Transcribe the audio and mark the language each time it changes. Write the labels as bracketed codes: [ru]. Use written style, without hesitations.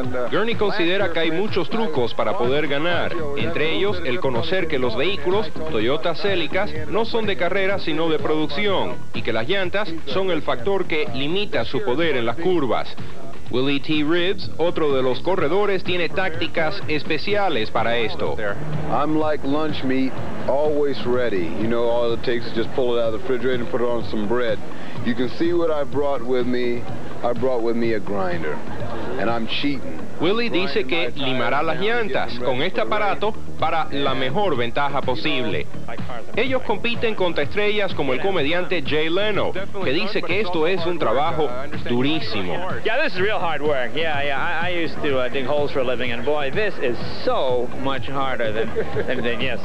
[es] Gurney considera que hay muchos trucos para poder ganar, entre ellos el conocer que los vehículos, Toyota Celicas, no son de carrera sino de producción, y que las llantas son el factor que limita su poder en las curvas. Willie T. Ribbs, otro de los corredores, tiene tácticas especiales para esto. [en] I'm like lunch meat, always ready. You know, all it takes is just pull it out of the refrigerator and put it on some bread. You can see what I brought with me. I brought with me a grinder, and I'm cheating. [es] Willie dice que limará las llantas con este aparato para la mejor ventaja posible. Ellos compiten contra estrellas como el comediante Jay Leno, que dice que esto es un trabajo durísimo. [en] Yeah, this is real hard work. Yeah. I used to dig holes for a living, and boy, this is so much harder than yes.